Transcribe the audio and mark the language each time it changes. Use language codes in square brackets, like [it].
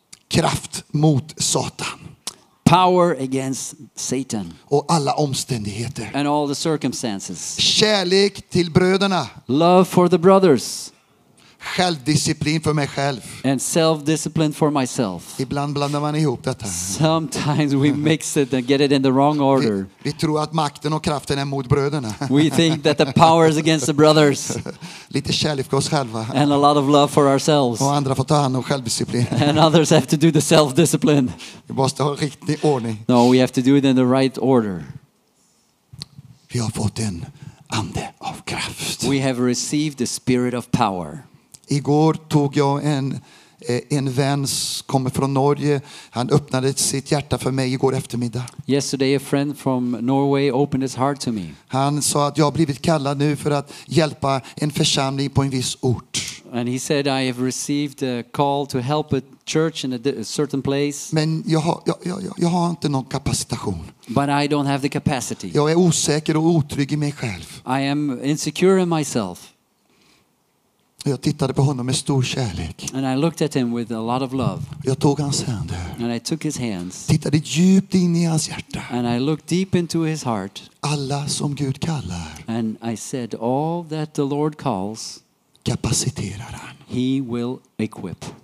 [sv] Kraft mot Satan. [en] Power against Satan. [sv] Och alla omständigheter. [en] And all the circumstances. [sv] Kärlek till bröderna. [en] Love for the brothers. [sv] Självdisciplin för mig själv. [en] And self-discipline for myself. [sv] Ibland blandar man ihop detta. [en] Sometimes we mix it and get it in the wrong order. [sv] Vi tror att makten och kraften är mot bröderna. [en] We think that the power is against the brothers. [sv] Lite kärlek för oss själva. [en] And a lot of love for ourselves. [sv] Och andra får ta hand om självdisciplin. [en] And others have to do the self-discipline. [sv] Vi måste ha riktig ordning. [en] No, we have to do it in the right order. [sv] Vi har fått en ande av kraft. [en] We have received the spirit of power. [sv] Igår tog jag en vän som kommer från Norge. Han öppnade sitt hjärta för mig igår eftermiddag. [en] Yesterday a friend from Norway opened his heart to me. [sv] Han sa att jag har blivit kallad nu för att hjälpa en församling på en viss ort. [en] And he said I have received a call to help a church in a certain place. [sv] Men jag har inte någon kapacitation. [en] But I don't have the capacity. [sv] Jag är osäker och otrygg i mig själv. [en] I am insecure in myself. [sv] Jag tittade på honom med stor kärlek. [en] And I looked at him with a lot of love. [sv] Jag tog hans händer. [en] And I took his hands. [sv] Tittade djupt in i hans hjärta. [en] And I looked deep into his heart. [sv] Alla som Gud kallar. [en] And I said all that the Lord calls. [sv] Kapaciterar han. [en] He will equip.